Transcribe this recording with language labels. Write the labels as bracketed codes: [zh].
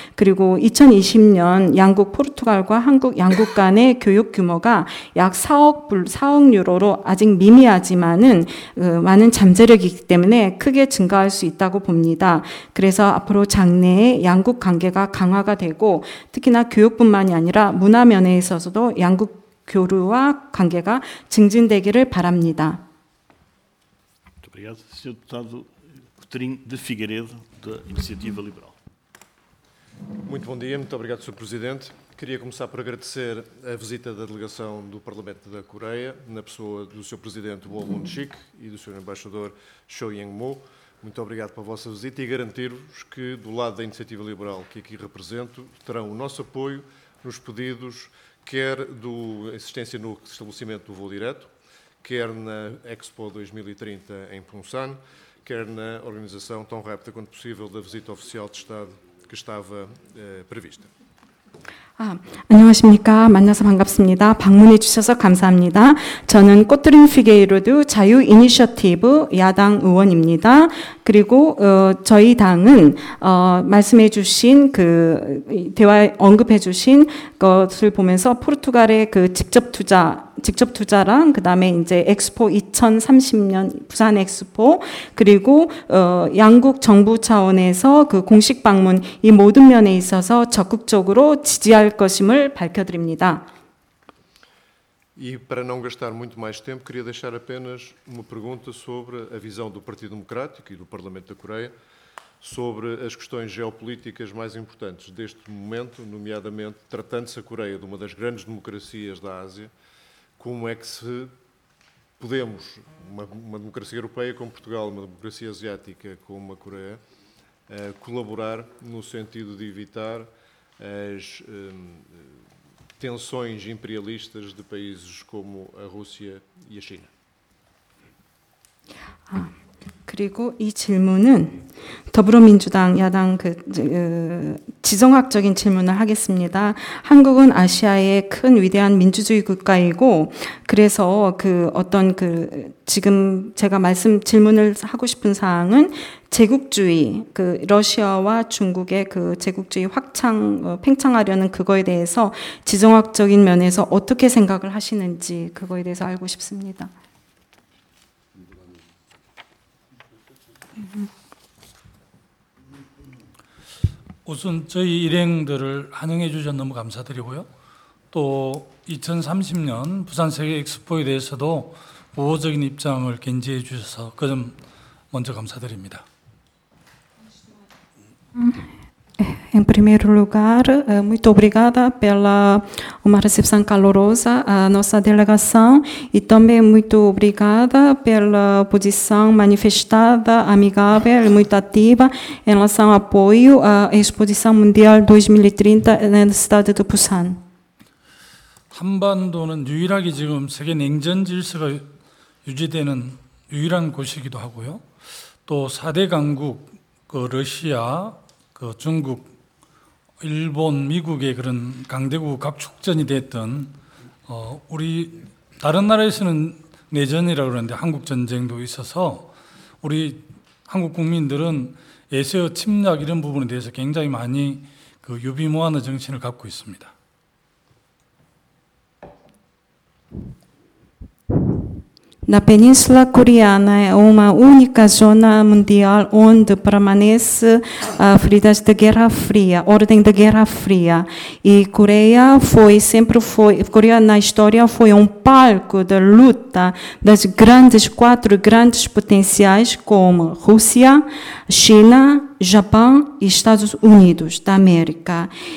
[ko] 그리고 2020년 양국 포르투갈과 한국 양국 간의 교육 규모가 약 4억 유로로 아직 미미하지만은 많은 잠재력이기 때문에 크게 증가할 수 있다고 봅니다. 그래서 앞으로 장래에 양국 관계가 강화가 되고 특히나 교육뿐만이 아니라 문화 면에 있어서도 양국 교류와 관계가 증진되기를 바랍니다. [pt] Muito obrigado, senhor deputado Coutrinho de Figueiredo, da Iniciativa Liberal. Muito bom dia, muito obrigado, senhor presidente. Queria começar por agradecer a visita da delegação do Parlamento da Coreia, na pessoa do senhor presidente Woo Won-sik e do senhor embaixador Cho Young-mo. Muito obrigado pela vossa visita e garantir-vos que, do lado da Iniciativa Liberal que aqui represento, terão o nosso apoio nos pedidos quer da assistência no estabelecimento do voo direto, quer na Expo 2030 em Pyeongchang, quer na organização tão rápida quanto possível da visita oficial de Estado que estava prevista. [ko] 아, 안녕하십니까. 만나서 반갑습니다. 방문해 주셔서 감사합니다. 저는 꼬뚜린 피게이로드 자유 이니셔티브 야당 의원입니다. 그리고 저희 당은 말씀해 주신 그 대화 언급해 주신 것을 보면서 포르투갈의 그 직접 투자랑 그다음에 이제 엑스포 2030년 부산 엑스포 그리고 양국 정부 차원에서 그 공식 방문 이 모든 면에 있어서 적극적으로 지지할 것임을 밝혀드립니다. [pt] E para não gastar muito mais tempo, queria deixar apenas uma pergunta sobre a visão do Partido Democrático e do Parlamento da Coreia sobre as questões geopolíticas mais importantes deste momento, nomeadamente tratando-se a Coreia de uma das grandes democracias da Ásia, como é que se podemos, uma democracia europeia como Portugal, uma democracia asiática como a Coreia, colaborar no sentido de evitar as tensões imperialistas de países como a Rússia e a China. [ko] 그리고 이 질문은 더불어민주당 야당 지정학적인 질문을 하겠습니다. 한국은 아시아의 큰 위대한 민주주의 국가이고 그래서 지금 제가 질문을 하고 싶은 사항은 제국주의, 러시아와 중국의 제국주의 확장, 팽창하려는 그거에 대해서 지정학적인 면에서 어떻게 생각을 하시는지 그거에 대해서 알고 싶습니다. 우선 저희 일행들을 환영해 주셔서 너무 감사드리고요. 또 2030년 부산 세계 엑스포에 대해서도 우호적인 입장을 견지해 주셔서 그 점 먼저 감사드립니다. [pt] Em primeiro lugar, muito obrigada pela uma recepção calorosa à nossa delegação e também muito obrigada pela posição manifestada, amigável e muito ativa em relação ao apoio à Exposição Mundial 2030 na cidade de Busan. [ko] 한반도는 유일하게 지금 세계 냉전 질서가 유지되는 유일한 곳이기도 하고요. 또 4대 강국, 러시아, 중국, 일본, 미국의 그런 강대국 압축전이 됐던 우리 다른 나라에서는 내전이라고 그러는데 한국 전쟁도 있어서 우리 한국 국민들은 애세어 침략 이런 부분에 대해서 굉장히 많이 유비무환의 정신을 갖고 있습니다. [pt] Na Península Coreana é uma única zona mundial onde permanece a feridas de Guerra Fria, ordem de Guerra Fria. E Coreia Coreia na história foi um palco de luta das quatro grandes potenciais como Rússia, China, Japão e Estados Unidos da América.